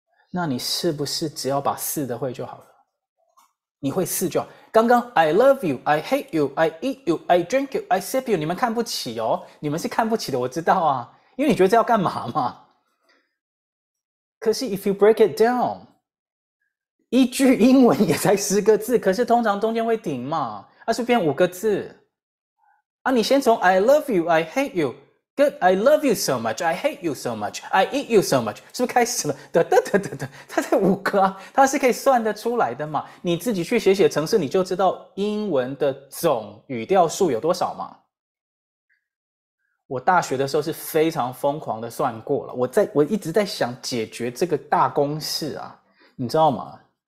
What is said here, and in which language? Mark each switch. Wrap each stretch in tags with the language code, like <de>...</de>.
<zh>那你是不是只要把四的会就好了? 你会四就好。刚刚</zh> <en>I love you, I hate you, I eat you, I drink you, I sip you,</en> <zh>你们看不起哦。你们是看不起的,我知道啊。因为你觉得这要干嘛嘛? 可是</zh> <en>if you break it down,</en> <zh>一句英文也才十个字,可是通常中间会顶嘛。啊,是变五个字。啊,你先从</zh> <en>I love you, I hate you,Good, I love you so much, I hate you so much, I eat you so much.</en> <zh>是不是开始了？得得得得得，它才五个啊，它是可以算得出来的嘛。你自己去写写程式，你就知道英文的总语调数有多少嘛。我大学的时候是非常疯狂的算过了，我一直在想解决这个大公式啊，你知道吗？</zh>